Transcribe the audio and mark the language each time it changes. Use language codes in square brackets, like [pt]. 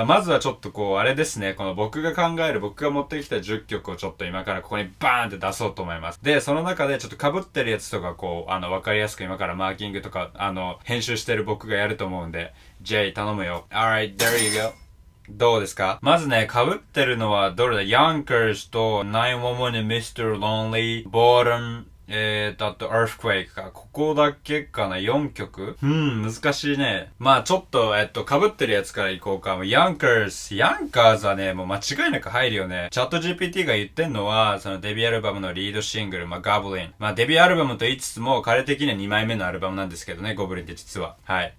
[ja] まあ、まずはちょっとこう、あれですね、この僕が考える、僕が持ってきた10曲をちょっと今からここにバーンって出そうと思います。で、その中でちょっと被ってるやつとかこう、あの、わかりやすく今からマーキングとか、あの、編集してる僕がやると思うんで、J 頼むよ。 [en] Alright, there you go. [ja] どうですか？まずね、被ってるのはどれだ？ Yonkers と911の Mr. Lonely Bottom、あと Earthquake か。ここだけかな？4 曲？難しいね。まあちょっと、被ってるやつからいこうか。Yonkers はね、もう間違いなく入るよね。チャット GPT が言ってんのは、そのデビューアルバムのリードシングル、まあ Goblin。まあデビューアルバムと言いつつも、彼的には2枚目のアルバムなんですけどね、Goblin って実は。はい。